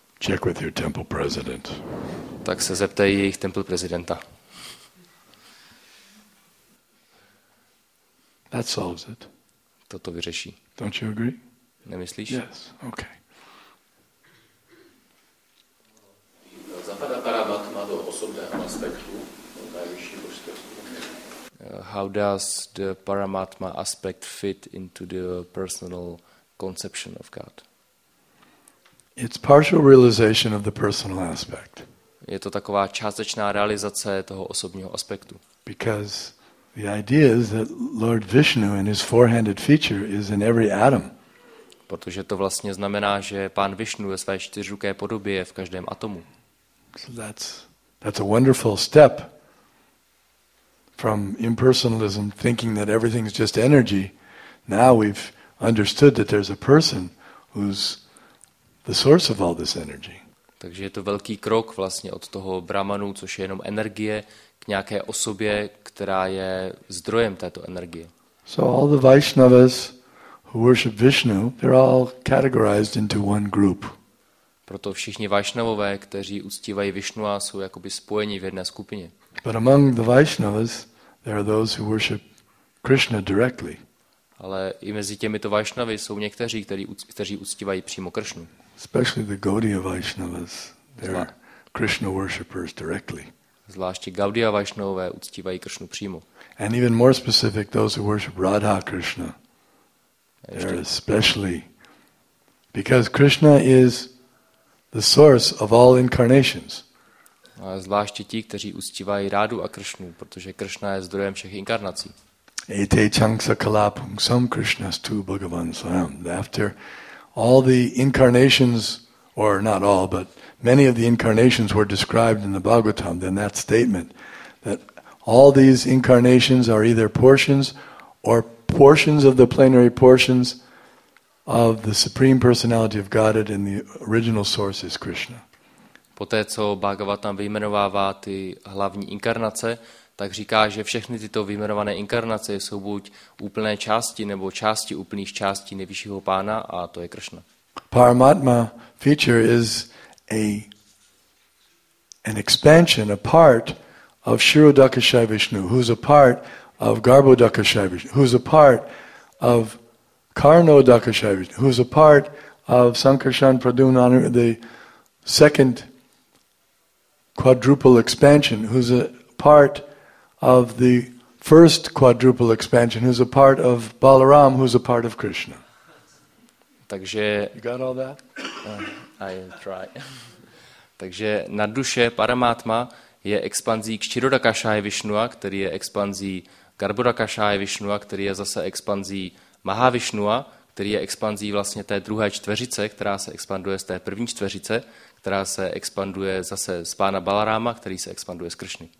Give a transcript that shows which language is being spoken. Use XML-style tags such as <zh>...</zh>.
<en>Check with your temple president.</en> <cs>Tak se zeptej jejich temple prezidenta.</cs> <en>That solves it.</en> <cs>Toto vyřeší.</cs> <en>Don't you agree?</en> <cs>Nemyslíš?</cs> <en>Yes, okay. How does the Paramatma aspect fit into the personal conception of God? It's partial realization of the personal aspect.</en> <cs>Je to taková částečná realizace toho osobního aspektu.</cs> <en>Because the idea is that Lord Vishnu and his four-handed feature is in every atom.</en> <cs>Protože to vlastně znamená, že pán Vishnu ve své čtyřruké podobě je v každém atomu.</cs> <en>So that's a wonderful step from impersonalism, thinking that everything's just energy. Now we've understood that there's a person who's the source of all this energy.</en> <cs>Takže je to velký krok vlastně od toho brahmanu, což je jenom energie, k nějaké osobě, která je zdrojem této energie.</cs> <en>So all the Vaishnavas who worship Vishnu, they're all categorized into one group.</en> <cs>Proto všichni Vaishnavové, kteří uctívají Vishnua, jsou jakoby spojeni v jedné skupině.</cs> <en>But among the Vaishnavas, there are those who worship Krishna directly.</en> <cs>Ale i mezi těmito Vaishnavy jsou někteří, kteří uctívají přímo Krishnu.</cs> <en>Especially the Gaudiya Vaishnavas, they're Krishna worshippers directly.</en> <cs>Zvláště Gaudiya Vaishnavové uctívají Krishnu přímo.</cs> <en>And even more specific, those who worship Radha Krishna. They're especially because Krishna is the source of all incarnations.</en> <cs>A zvláště ti, kteří uctívají Rádu a Krishnu, protože Krishna je zdrojem všech inkarnací.</cs> <sa>Ete changsa kalapum sam Krishnas tu Bhagavan Swayam.</sa> <en>After all the incarnations, or not all, but many of the incarnations were described in the Bhagavatam, then that statement that all these incarnations are either portions or portions of the plenary portions of the Supreme Personality of Godhead and the original source is Krishna.</en> <cs>Poté, co Bhagavatam vyjmenovává ty hlavní inkarnace, tak říká, že všechny tyto vyjmenované inkarnace jsou buď úplné části nebo části úplných částí nejvyššího pána a to je Krishna.</cs> <en>Paramatma feature is an expansion, a part of Shirodakashai Vishnu, who's a part of Garbhodakashai Vishnu, who's a part of Karnodakashai Vishnu, who's a part of Sankarshan Pradunanu, the second quadruple expansion, who's a part of the first quadruple expansion, who's a part of Balaram, who's a part of Krishna.</en> <cs>Takže,</cs> <en>you got all that? I'll try.</en> <cs>Takže nadduše Paramatma je expanzí Kshirodakashaya Vishnua, který je expanzí Garbhodakashaya Vishnua, který je zase expanzí Mahavishnua, který je expanzí vlastně té druhé čtveřice, která se expanduje z té první čtveřice, která se expanduje zase z pána Balarama, který se expanduje z Krishny.</cs>